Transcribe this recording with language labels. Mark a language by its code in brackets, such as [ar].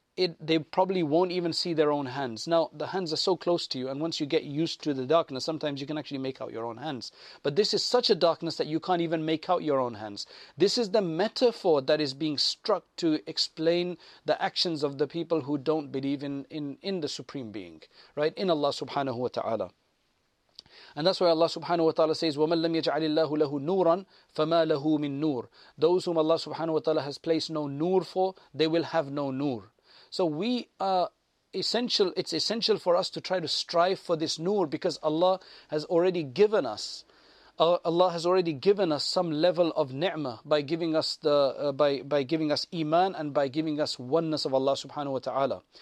[en] they probably won't even see their own hands. Now, the hands are so close to you, and once you get used to the darkness, sometimes you can actually make out your own hands. But this is such a darkness that you can't even make out your own hands. This is the metaphor that is being struck to explain the actions of the people who don't believe in the Supreme Being, right? In Allah subhanahu wa ta'ala. And that's why Allah subhanahu wa ta'ala says, [ar] وَمَنْ لَمْ يَجْعَلِ اللَّهُ لَهُ نُورًا فَمَا لَهُ مِن نُورٍ. [en] Those whom Allah subhanahu wa ta'ala has placed no nur for, they will have no nur. So we are essential, it's essential for us to try to strive for this nur, because Allah has already given us, some level of ni'mah by giving us the by giving us iman and by giving us oneness of Allah subhanahu wa ta'ala.